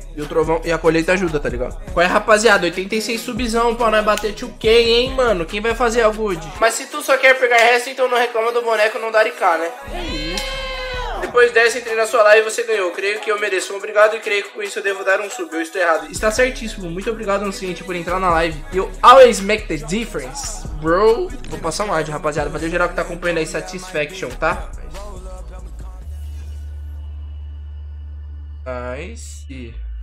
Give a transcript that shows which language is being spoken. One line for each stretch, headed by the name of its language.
Portuguese: E o trovão e a colheita ajuda, tá ligado? Qual é, rapaziada? 86 subzão pra nós bater 2K, hein, mano? Quem vai fazer a good? Mas se tu só quer pegar resto, então não reclama do boneco não dar IK, né? É isso. Depois dessa, entrei na sua live e você ganhou. Creio que eu mereço. Obrigado e creio que com isso eu devo dar um sub. Eu estou errado. Está certíssimo. Muito obrigado, Anciente, por entrar na live.
English: You always make the difference, bro.
Portuguese: Vou passar um ad, rapaziada. Valeu geral que tá acompanhando aí, Satisfaction, tá?
English: Nice.